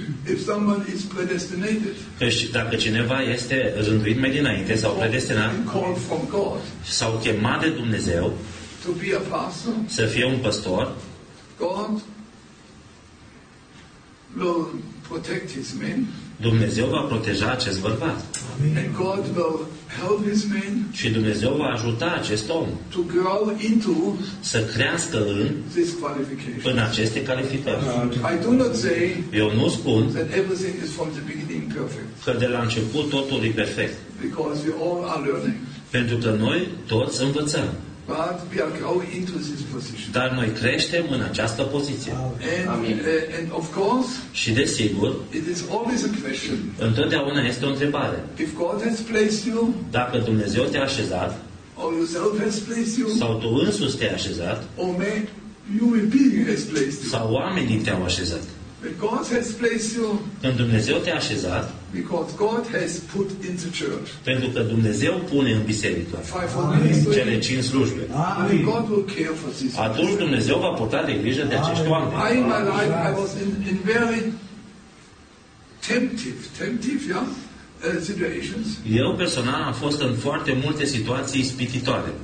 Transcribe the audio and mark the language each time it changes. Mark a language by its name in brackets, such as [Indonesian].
[English] if someone is predestinated, [Romanian] că dacă cineva este rânduit mai dinainte sau predestinat sau chemat de Dumnezeu [English] to be a pastor, [Romanian] să fie un păstor, [English] God will protect his men, [Romanian] Dumnezeu va proteja acest bărbat. [English] And God will help his men, [Romanian] și Dumnezeu va ajuta acest om [English] to grow into, [Romanian] să crească în, [English] this qualification, [Romanian] în aceste calificări. [English] I do not say, [Romanian] eu nu spun [English] that everything is from the beginning perfect, [Romanian] că de la început totul e perfect. [English] Because we all are learning. [Romanian] Pentru că noi toți învățăm. [English] But we are growing into this position. [Romanian] Dar noi creștem în această poziție. [English] And of course, [Romanian] și desigur, [English] it is always a question. [Romanian] Întotdeauna este o întrebare. [English] If God has placed you, [Romanian] dacă Dumnezeu te-a așezat, [English] or yourself has placed you, [Romanian] sau tu însuți te-ai așezat, [English] or man, human being has placed you, [Romanian] sau oamenii te-au așezat. [English] But God has placed you, [Romanian] când Dumnezeu te-a așezat, [English] because God has put in the church, [Romanian] pentru că Dumnezeu pune în biserică cele 5 slujbe. [English] And God will care for this. [Romanian] Atunci Dumnezeu va purta de grijă de acești oameni. [English] I in my life I was in very temptive, yeah? Situations. [Romanian] Eu personal am fost în foarte multe situații ispititoare.